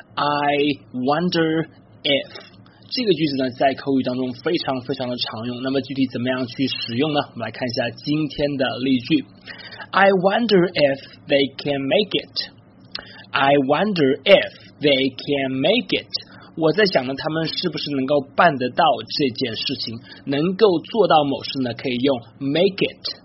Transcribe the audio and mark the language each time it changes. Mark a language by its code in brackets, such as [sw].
[en] I wonder if [zh] 这个句子呢，在口语当中非常非常的常用。那么具体怎么样去使用呢？我们来看一下今天的例句。 [en] I wonder if they can make itI wonder if they can make it. [zh] 我在想呢，他们是不是能够办得到这件事情，能够做到某事呢，可以用 [en] make it.